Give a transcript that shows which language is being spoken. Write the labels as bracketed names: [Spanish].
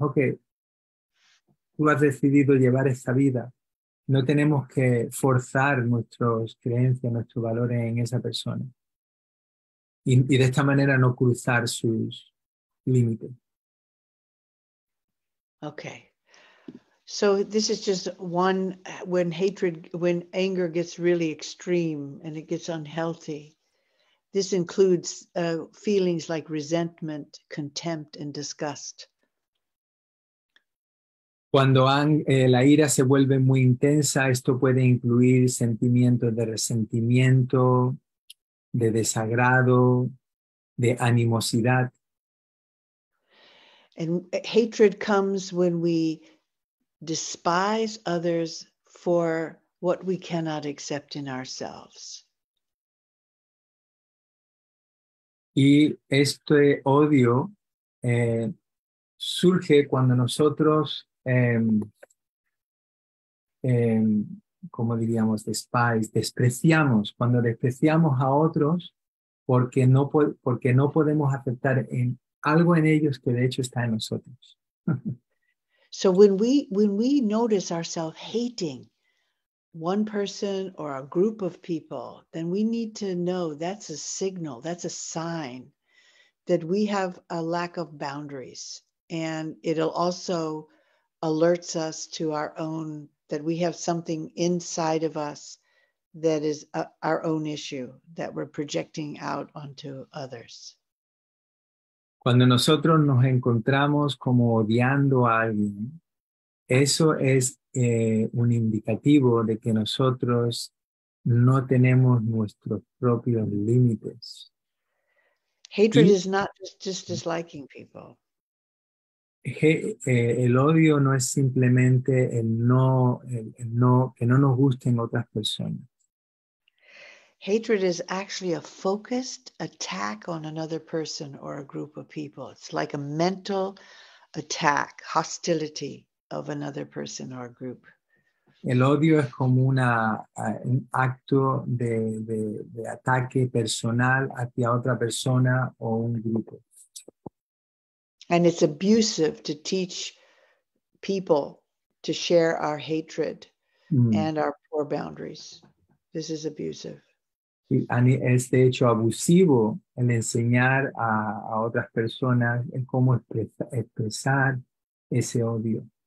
[Spanish] Ok, tú has decidido llevar esta vida. No tenemos que forzar nuestras creencias, nuestros valores en esa persona. Y de esta manera no cruzar sus límites. [English] Okay. So this is just one, when anger gets really extreme and it gets unhealthy, this includes feelings like resentment, contempt, and disgust. [Spanish] Cuando la ira se vuelve muy intensa, esto puede incluir sentimientos de resentimiento, de desagrado, de animosidad. [English] And hatred comes when we despise others for what we cannot accept in ourselves. [Spanish] Y este odio surge cuando nosotros, despreciamos, cuando despreciamos a otros porque no podemos aceptar en algo en ellos que de hecho está en nosotros. [English] So when we notice ourselves hating one person or a group of people, then we need to know that's a signal, that's a sign that we have a lack of boundaries. And it'll also alerts us to our own, that we have something inside of us that is our own issue that we're projecting out onto others. [Spanish] Cuando nosotros nos encontramos como odiando a alguien, eso es un indicativo de que nosotros no tenemos nuestros propios límites. [English] Hatred is not just disliking people. [Spanish] El odio no es simplemente el no que no nos gusten otras personas. [English] Hatred is actually a focused attack on another person or a group of people. It's like a mental attack, hostility of another person or a group. [Spanish] El odio es como un acto de ataque personal hacia otra persona o un grupo. [English] And it's abusive to teach people to share our hatred and our poor boundaries. This is abusive. [Spanish] Es de hecho abusivo el enseñar a otras personas en cómo expresar ese odio.